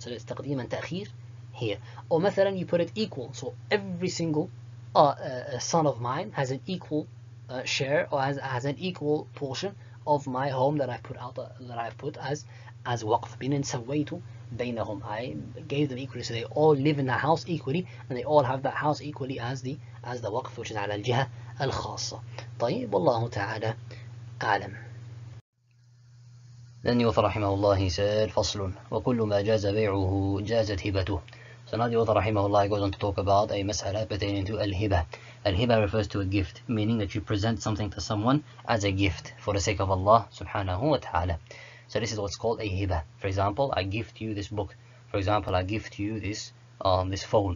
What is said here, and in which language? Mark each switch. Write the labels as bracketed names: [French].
[English] So it's taqdeem and ta'khir. Here, or مثلا you put it equal, so every single son of mine has an equal share or has an equal portion of my home that I've put out that I've put as waqf. [Arabic] بين سويتو بينهم, [English] I gave them equally, so they all live in the house equally and they all have that house equally as the waqf, which is [Arabic] على الجهة الخاصة. طيب والله تعالى أعلم. [English] Then the author [Arabic] رحمه الله [English] he said, [Arabic] فصل وكل ما جاز بيعه جازت هبته. [English] So now the author رحمه الله goes on to talk about a مسألة pertaining to الهبة. الهبة refers to a gift, meaning that you present something to someone as a gift for the sake of Allah subhanahu wa ta'ala. So this is what's called a هبة. For example, I gift you this book. For example, I gift you this this phone.